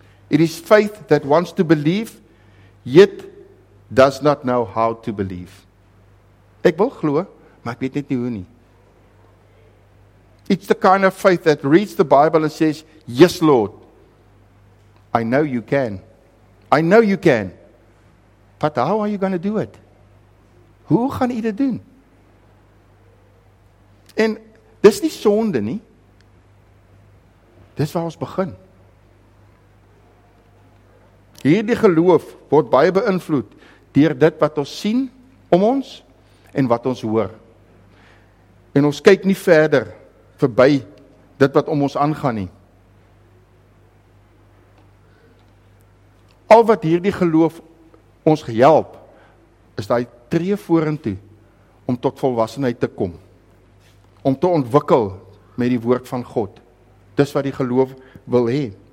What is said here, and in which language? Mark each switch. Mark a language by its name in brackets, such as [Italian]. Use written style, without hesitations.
[English] It is faith that wants to believe, yet does not know how to believe. [Afrikaans] Ek wil glo, maar ek weet net nie hoe nie. [English] It's the kind of faith that reads the Bible and says, yes, Lord, I know you can. I know you can. But how are you going to do it? [Afrikaans] Hoe gaan jy dit doen? En dis nie sonde nie. Dis waar ons begin. Hierdie geloof word baie beïnvloed deur dit wat ons sien om ons en wat ons hoor. En ons kyk nie verder verby dit wat om ons aangaan nie. Al wat hierdie geloof ons help, is daai tree vorentoe om tot volwassenheid te kom. Om te ontwikkel met die woord van God. Dis wat die geloof wil hê.